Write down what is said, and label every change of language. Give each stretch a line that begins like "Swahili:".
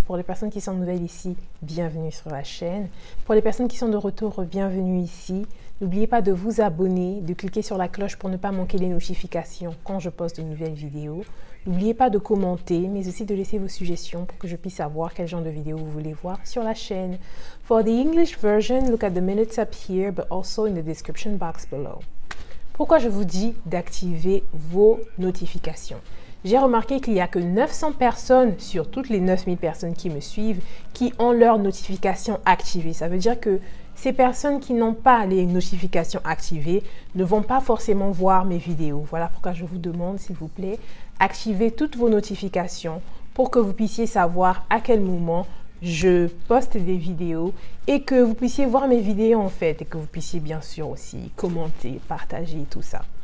French: Pour les personnes qui sont nouvelles ici, bienvenue sur la chaîne. Pour les personnes qui sont de retour, bienvenue ici. N'oubliez pas de vous abonner, de cliquer sur la cloche pour ne pas manquer les notifications quand je poste de nouvelles vidéos. N'oubliez pas de commenter, mais aussi de laisser vos suggestions pour que je puisse savoir quel genre de vidéos vous voulez voir sur la chaîne.
English: For the English version, look at the minutes up here, but also in the description box below.
French: Pourquoi je vous dis d'activer vos notifications? J'ai remarqué qu'il n'y a que 900 personnes sur toutes les 9000 personnes qui me suivent qui ont leurs notifications activées. Ça veut dire que ces personnes qui n'ont pas les notifications activées ne vont pas forcément voir mes vidéos. Voilà pourquoi je vous demande, s'il vous plaît, activez toutes vos notifications pour que vous puissiez savoir à quel moment je poste des vidéos et que vous puissiez voir mes vidéos en fait et que vous puissiez bien sûr aussi commenter, partager tout ça.